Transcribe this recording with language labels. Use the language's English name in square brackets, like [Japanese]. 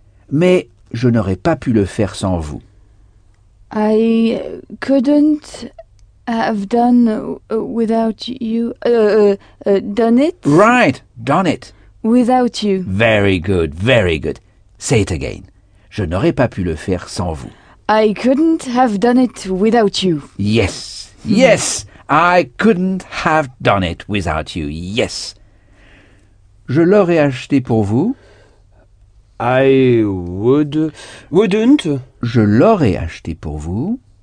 [French] Mais je n'aurais pas pu le faire sans vous. [English] I couldn't have done without you, done it Right, done it. without you. Very good, very good. Say it again. [French] Je n'aurais pas pu le faire sans vous. [English] I couldn't have done it without you. Yes, I couldn't have done it without you, yes. [French] Je l'aurais acheté pour vous. [English] Wouldn't. [French] Je l'aurais acheté pour vous.